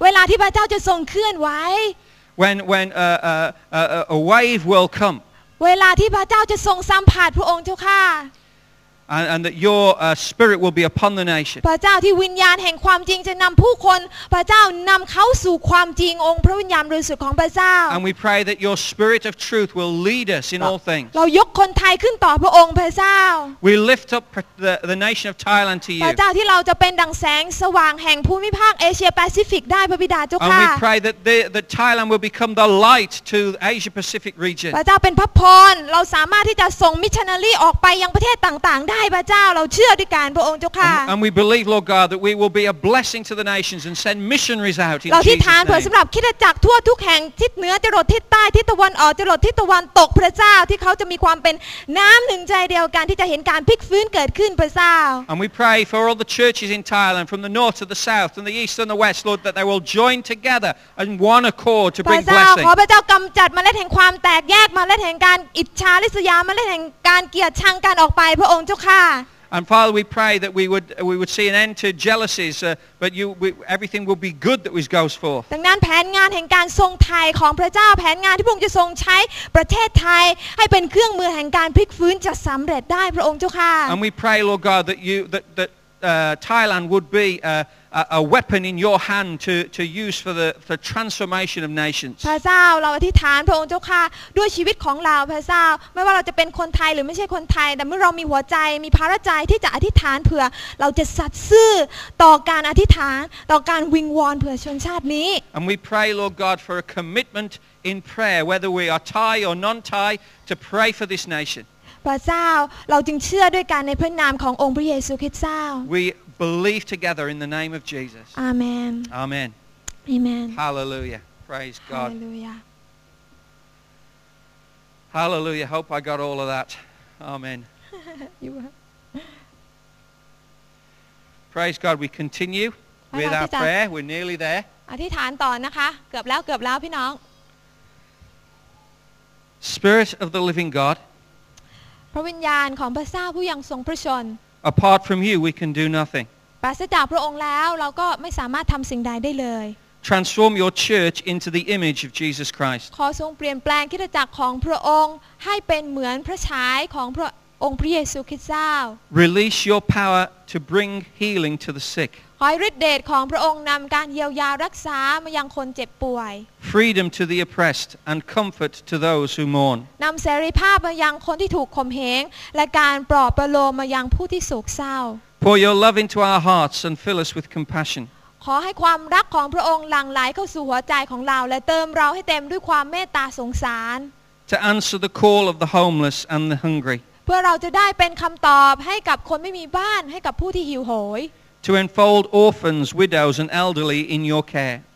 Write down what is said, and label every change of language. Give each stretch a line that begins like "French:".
Thai: เวลาที่พระเจ้าจะทรงเคลื่อนไหว
English: When a wave will come.
Thai: เวลาที่พระเจ้าจะทรงสัมผัสพระองค์เจ้าค่ะ
English: And that your spirit will be upon the nation.
Thai: พระเจ้าที่วิญญาณแห่งความจริงจะนำผู้คนพระเจ้านำเขาสู่ความจริงองค์พระวิญญาณบริสุทธิ์ของพระเจ้า
English: And we pray that your spirit of truth will lead us in all things.
Thai: เรายกคนไทยขึ้นต่อพระองค์พระเจ้า
English: We lift up the nation of Thailand to you.
Thai: พระเจ้าที่เราจะเป็นดังแสงสว่างแห่งภูมิภาคเอเชียแปซิฟิกได้พระบิดาเจ้าค่ะ
English: And we pray that the Thailand will become the light to the Asia Pacific region.
Thai: พระเจ้าเป็นพระพรเราสามารถที่จะส่งมิชชันนารีออกไปยังประเทศต่างๆให้พระเจ้าเราเชื่อด้วยการพระองค์เจ้าค่ะ
English: And we believe Lord God that we will be a blessing to the nations and send missionaries out in Jesus' name
Thai: เราอธิษฐานเพื่อสำหรับคริสตจักรทั่วทุกแห่งทิศเหนือจรดทิศใต้ทิศตะวันออกจรดทิศตะวันตกพระเจ้าที่เขาจะมีความเป็นน้ำหนึ่งใจเดียวกันที่จะเห็นการพลิกฟื้นเกิดขึ้นพระเจ้า
English: And we pray for all the churches in Thailand from the north to the south and the east and the west Lord that they will join together in one accord to bring blessing
Thai: พระเจ้าขอพระเจ้ากำจัดเมล็ดแห่งความแตกแยกเมล็ดแห่งการอิจฉาริษยาเมล็ดแห่งการเกลียดชังกันออกไปพระองค์เจ้า
English: And Father, we pray that we would see an end to jealousies, but everything will be good that which goes forth.
Thai: ดังนั้นแผนงานแห่งการทรงไทยของพระเจ้าแผนงานที่พระองค์จะทรงใช้ประเทศไทยให้เป็นเครื่องมือแห่งการพลิกฟื้นจะสำเร็จได้พระองค์เจ้าค่ะ
English: And we pray, Lord God, that Thailand would be a weapon in your hand to use for the transformation of nations.
Thai: พระเจ้าเราอธิษฐานพระองค์เจ้าค่ะด้วยชีวิตของเราพระเจ้าไม่ว่าเราจะเป็นคนไทยหรือไม่ใช่คนไทยแต่เมื่อเรามีหัวใจมีภาระใจที่จะอธิษฐานเผื่อเราจะสัตย์ซื่อต่อการอธิษฐานต่อการวิงวอนเผื่อชนชาตินี้
English: And we pray Lord God for a commitment in prayer whether we are Thai or non-Thai to pray for this nation.
Thai: พระเจ้าเราจึงเชื่อด้วยกันในพระนามขององค์พระเยซูคริสต์เจ้า
English: Believe together in the name of Jesus. Amen. Amen. Amen. Hallelujah. Praise God. Hallelujah. Hallelujah. Hope I got all of that. Amen. You were. Praise God. We continue with our prayer. We're nearly there.
Thai: อธิษฐานต่อนะคะเกือบแล้วเกือบแล้วพี่น้อง
English: Spirit of the Living God.
Thai: พระวิญญาณของพระเจ้าผู้ยังทรงพระชน
English: Apart from you, we can do nothing.
Thai: ปราศจากพระองค์แล้วเราก็ไม่สามารถทำสิ่งใดได้เลย
English: Transform your church into the image of Jesus Christ.
Thai: ขอทรงเปลี่ยนแปลงคริสตจักรของพระองค์ให้เป็นเหมือนพระฉายของพระองค์พระเยซูคริสต์เจ้า
English: Release your power to bring healing to the sick.
Thai: ขอให้ฤทธิ์เดชของพระองค์นำการเยียวยารักษามายังคนเจ็บป่วย
English: Freedom to the oppressed and comfort to those who mourn.
Thai: นำเสรีภาพมายังคนที่ถูกข่มเหงและการปลอบประโลมมายังผู้ที่โศกเศร้า
English: Pour your love into our hearts and fill us with compassion.
Thai: ขอให้ความรักของพระองค์หลั่งไหลเข้าสู่หัวใจของเราและเติมเราให้เต็มด้วยความเมตตาสงสาร
English: To answer the call of the homeless and the hungry.
Thai: เพื่อเราจะได้เป็นคำตอบให้กับคนไม่มีบ้านให้กับผู้ที่หิวโหย
English: To enfold orphans, widows, and elderly in your care